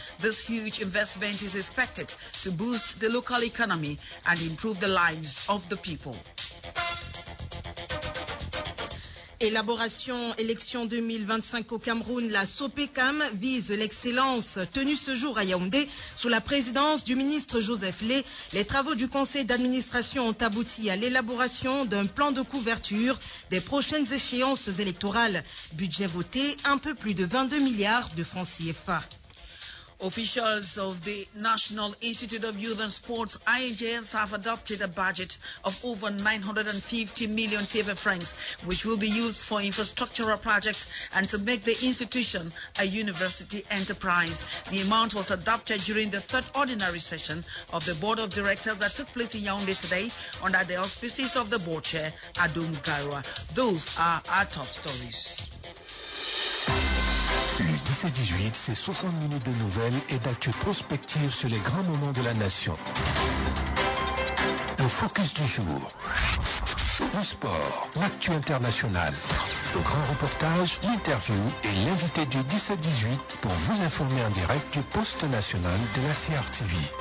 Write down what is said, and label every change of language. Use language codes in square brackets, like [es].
[en] This huge investment is expected to boost the local economy and improve the lives of the people. [fr] Élaboration élection 2025 au Cameroun, la SOPECAM vise l'excellence. Tenue ce jour à Yaoundé, sous la présidence du ministre Joseph Lay, les travaux du conseil d'administration ont abouti à l'élaboration d'un plan de couverture des prochaines échéances électorales. Budget voté, un peu plus de 22 milliards de francs CFA. [en] Officials of the National Institute of Youth and Sports, INJS, have adopted a budget of over 950 million CFA francs, which will be used for infrastructural projects and to make the institution a university enterprise. The amount was adopted during the third ordinary session of the board of directors that took place in Yaoundé today under the auspices of the board chair, Adum Garua. Those are our top stories. [fr] Le 17-18, c'est 60 minutes de nouvelles et d'actu prospective sur les grands moments de la nation. Le focus du jour. Le sport, l'actu internationale. Le grand reportage, l'interview et l'invité du 17-18 pour vous informer en direct du poste national de la CRTV.